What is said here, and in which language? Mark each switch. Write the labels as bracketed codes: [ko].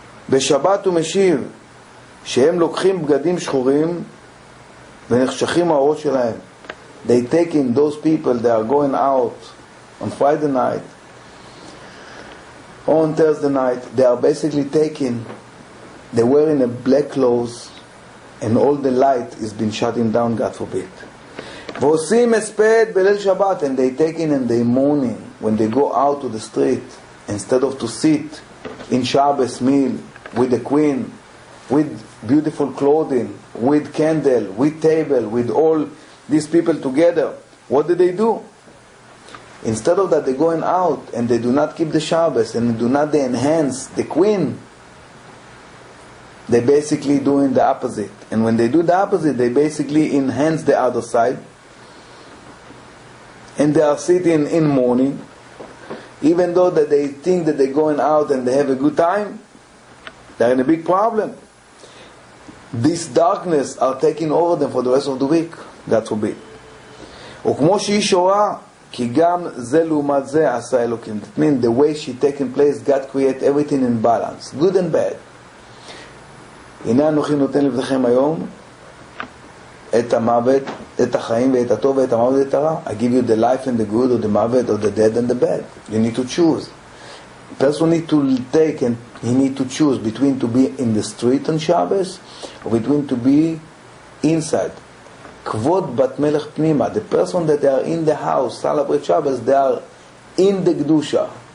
[he] בשבת הוא משיב שהם לוקחים בגדים שחורים ונחשכים האורות שלהם. [en] They taking those people, they are going out on Friday night, on Thursday night, they are basically taking, they wearing a black clothes and all the light is been shutting down, God forbid. [he] ועושים הספד בליל שבת, [en] and they taking and they mourning when they go out to the street instead of to sit in Shabbos meal with the queen, with beautiful clothing, with candle, with table, with all these people together. What did they do? Instead of that, they going out and they do not keep the Shabbos and do not they enhance the queen, they basically doing the opposite. And when they do the opposite, they basically enhance the other side. And they are sitting in mourning, even though that they think that they're going out and they have a good time, they're in a big problem. This darkness are taking over them for the rest of the week. God forbid. [he] וכמו שהיא שורה, כי גם זה לעומת זה עשה אלוקים. [en] That means the way she taking place, God create everything in balance, good and bad. [he] הנה אנוכי נותן לבדכם היום את המוות, את החיים ואת הטוב ואת המוות ואת הרע. [en] I give you the life and the good, or the מוות, or the dead and the bad. You need to choose. Person need to take and he need to choose between to be in the street on Shabbos or between to be inside. [he] Kvod bat melech pnima. [en] The person that they are in the house, celebrate Shabbos, they are in the Kedusha.